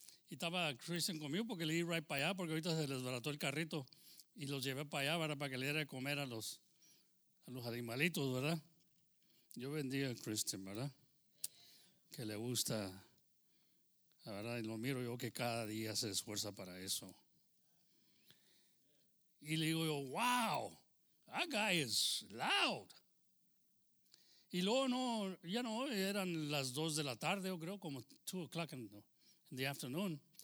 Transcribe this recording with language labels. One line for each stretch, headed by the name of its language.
Spanish: Y estaba Christian conmigo porque le di right para allá, porque ahorita se desbarató el carrito y los llevé para allá, ¿verdad? Para que le diera de comer a los animalitos, ¿verdad? Yo bendiga a Christian, ¿verdad? Que le gusta. La verdad, y lo miro yo que cada día se esfuerza para eso. Y le digo yo,
English: wow, that guy is loud.
Spanish: Y luego no, ya no, eran las 2 de la tarde, yo creo, como
English: 2 o'clock in the afternoon.